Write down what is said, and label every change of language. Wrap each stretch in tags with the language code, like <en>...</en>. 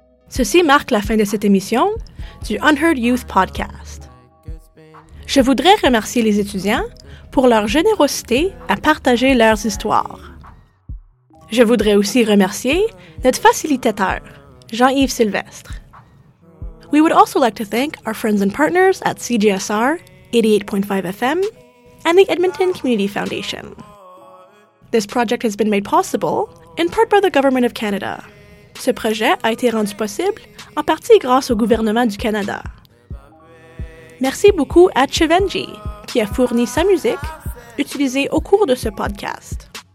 <fr>Ceci marque la fin de cette émission du Unheard Youth Podcast. Je voudrais remercier les étudiants pour leur générosité à partager leurs histoires. Je voudrais aussi remercier notre facilitateur, Jean-Yves Sylvestre.</fr> <en>We would also like to thank our friends and partners at CJSR 88.5 FM and the Edmonton Community Foundation. This project has been made possible in part by the Government of Canada.</en> <fr>Ce projet a été rendu possible en partie grâce au gouvernement du Canada. Merci beaucoup à Chevenji, qui a fourni sa musique utilisée au cours de ce podcast.</fr>